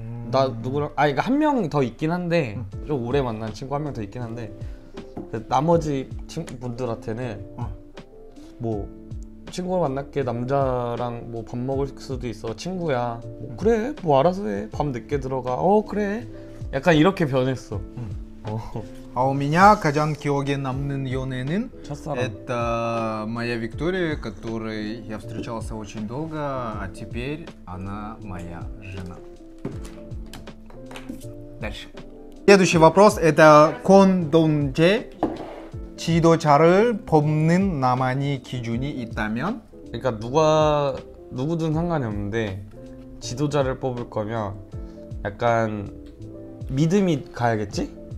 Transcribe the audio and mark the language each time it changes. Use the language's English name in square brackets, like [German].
[Korean] 나 누구랑 아니 그 한 명 더 있긴 한데 좀 오래 만난 친구 한 명 더 있긴 한데 나머지 친구분들한테는 뭐 친구를 만났게 남자랑 뭐 밥 먹을 수도 있어 친구야 뭐 그래 뭐 알아서 해 밤 늦게 들어가 어 그래 약간 이렇게 변했어. 아오미냐 가장 기억에 남는 연애는 첫사랑. [Russian] Это моя Виктория, которой я встречался очень долго, а теперь она моя жена. Дальше. Следующий вопрос это Кон Донджэ. [Korean] 지도자를 뽑는 나만의 기준이 있다면? 그러니까 누구든 상관이 없는데 지도자를 뽑을 거면 약간 믿음이 가야겠지?